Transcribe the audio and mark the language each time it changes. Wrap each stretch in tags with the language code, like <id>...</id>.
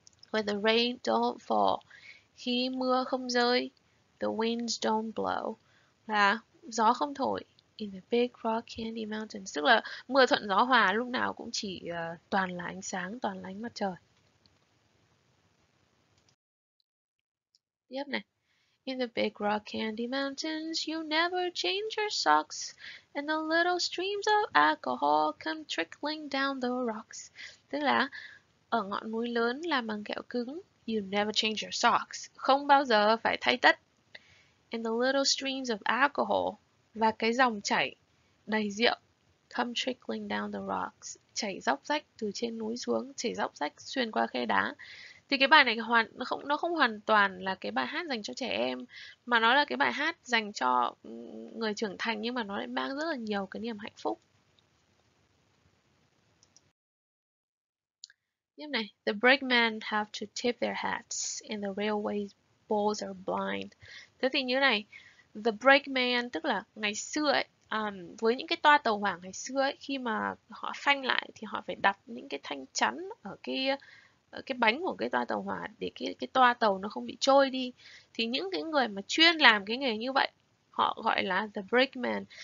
<en>Where the rain don't fall.</en> <vi>Khi mưa không rơi.</vi> <en>The winds don't blow.</en> <vi>Là gió không thổi.</vi> <en>In the big rock candy mountains.</en> <vi>Tức là mưa thuận gió hòa, lúc nào cũng chỉ toàn là ánh sáng, toàn là ánh mặt trời. Tiếp này.</vi> <en>In the big rock candy mountains, you never change your socks, and the little streams of alcohol come trickling down the rocks.</en> <vi>Tức là ở ngọn núi lớn làm bằng kẹo cứng,</vi> <en>you never change your socks,</en> <vi>không bao giờ phải thay tất.</vi> <en>And the little streams of alcohol,</en> <vi>và cái dòng chảy đầy rượu,</vi> <en>come trickling down the rocks,</en> <vi>chảy róc rách từ trên núi xuống, chảy róc rách xuyên qua khe đá. Thì cái bài này nó không hoàn toàn là cái bài hát dành cho trẻ em, mà nó là cái bài hát dành cho người trưởng thành, nhưng mà nó lại mang rất là nhiều cái niềm hạnh phúc. Tiếp này,</vi> <en>the brakemen have to tip their hats and the railway poles are blind.</en> <vi>Thế thì như này, the brakeman, tức là ngày xưa ấy, với những cái toa tàu hỏa ngày xưa ấy, khi mà họ phanh lại thì họ phải đặt những cái thanh chắn ở cái bánh của cái toa tàu hỏa để cái toa tàu nó không bị trôi đi. Thì những cái người mà chuyên làm cái nghề như vậy họ gọi là the brakeman.</vi>